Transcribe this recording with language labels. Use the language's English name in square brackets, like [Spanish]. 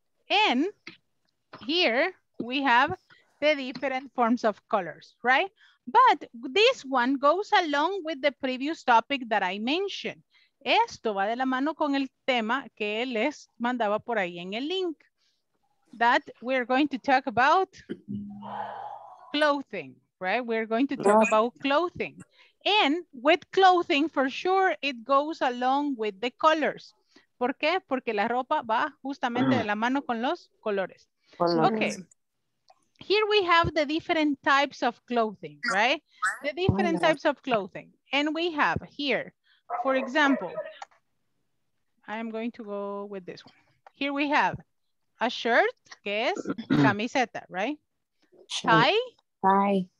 [English] And here we have the different forms of colors, right? But this one goes along with the previous topic that I mentioned. [Spanish] Esto va de la mano con el tema que les mandaba por ahí en el link. [English] That we're going to talk about clothing, right? We're going to talk about clothing. And with clothing, for sure, it goes along with the colors. [Spanish] ¿Por qué? Porque la ropa va justamente de la mano con los colores. [English] Okay. Here we have the different types of clothing, right? The different types of clothing. And we have here, for example, I am going to go with this one. Here we have a shirt, [Spanish] que es camiseta, [English] right? Tie.